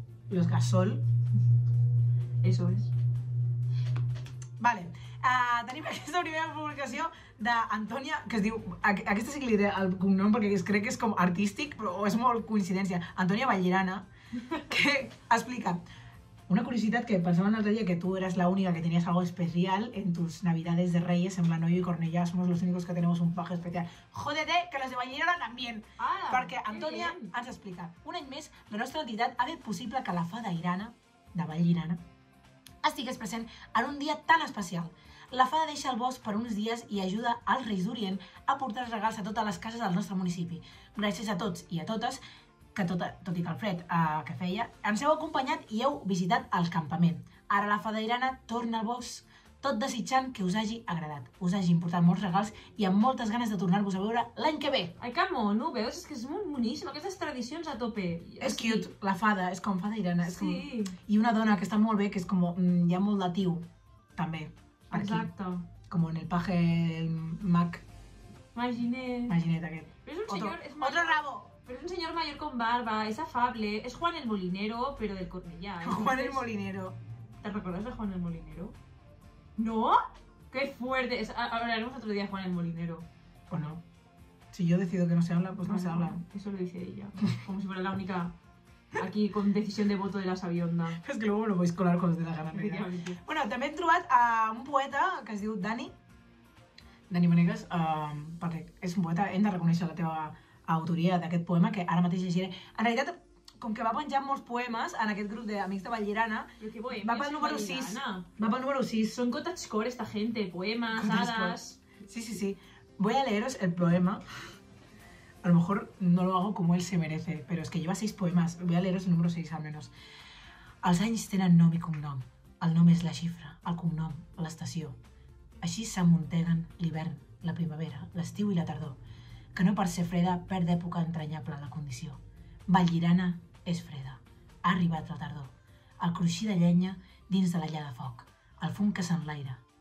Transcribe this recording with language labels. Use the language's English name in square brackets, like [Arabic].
[Spanish] Los Gasol... Eso es. Vale. [Catalan] Tenim aquesta primera publicació d'Antònia, que es diu... Aquesta sí que li diré el cognom perquè crec que és com artístic, però és molt coincidència. Antònia Vallirana, que explica... Una curiositat que pensava en el dia [Spanish] que tu eras la única que tenías algo especial en tus navidades de Reyes, en Manoyo y Cornellà, somos los únicos que tenemos un paje especial. Jódete, que los de Vallirana también. [Catalan] Ah, perquè Antònia ens explica. Un any més, la nostra entitat ha fet possible que la Fada Irana, de Vallirana, estigués present en un dia tan especial. La Fada deixa el bosc per uns dies i ajuda als Reis d'Orient a portar els regals a totes les cases del nostre municipi. Gràcies a tots i a totes, que tot i que el fred que feia, ens heu acompanyat i heu visitat el campament. Ara la Fada Irana torna al bosc, tot desitjant que us hagi agradat, us hagi portat molts regals i amb moltes ganes de tornar-vos a veure l'any que ve. Ai, que mono, veus? És que és molt boníssim, aquestes tradicions a tope. És cute, la fada, és com Fada Irana. Sí. I una dona que està molt bé, que és com... Hi ha molt de tio, també, per aquí. Exacte. Com en el paje, el mag... Maginet aquest. Però és un senyor... [Spanish] Otro rabo! [Catalan] Però és un senyor major [Spanish] con barba, [Catalan] és afable, és Juan el Molinero, però del Cornellà. [Spanish] Juan el Molinero. ¿Te recordes de Juan el Molinero? ¿No? ¡Qué fuerte! Hablaremos otro día de Juan el Molinero. ¿O no? Si yo decido que no se habla, pues no se habla. Eso lo dice ella. Como si fuera la única aquí con decisión de voto de la sabionda. Es que luego me lo podéis colar cuando os dé la gana. [Catalan] Bueno, també hem trobat a un poeta que es diu Dani. Dani Manegas, perquè és un poeta, hem de reconèixer la teva... autoria d'aquest poema que ara mateix llegiré. En realitat, com que va penjar molts poemes en aquest grup d'amics de Vallirana, va pel número 6. Va pel número 6. Són cottagecore, [Spanish] esta gente, [Catalan] poemes, hadas... [Spanish] Sí, sí, sí. Voy a leeros el poema. A lo mejor no lo hago como él se merece, pero es que lleva 6 poemas. Voy a leeros el número 6, al menos. [Catalan] Els anys tenen nom i cognom. El nom és la xifra, el cognom, l'estació. Així s'amunteguen l'hivern, la primavera, l'estiu i la tardor. Que no per ser freda perd d'època entranyable la condició. Vallirana és freda. Ha arribat la tardor. El cruixir de llenya dins de la llar de foc. El fum que s'enlaira.